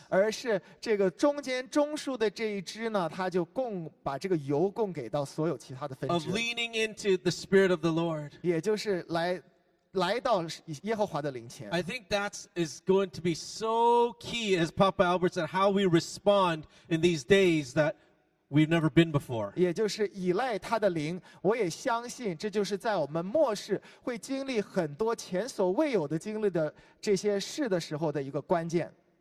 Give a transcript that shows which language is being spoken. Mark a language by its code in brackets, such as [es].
[zh] 而是这个中间中枢的这一支呢，它就把这个油供给到所有其他的分支。 [en] Of leaning into the spirit of the Lord. [zh] 也就是来到耶和华的灵前。 [en] I think that is going to be so key, as Papa Albert said, how we respond in these days that we've never been before. [zh] 也就是依赖他的灵，我也相信这就是在我们末世会经历很多前所未有的经历的这些事的时候的一个关键。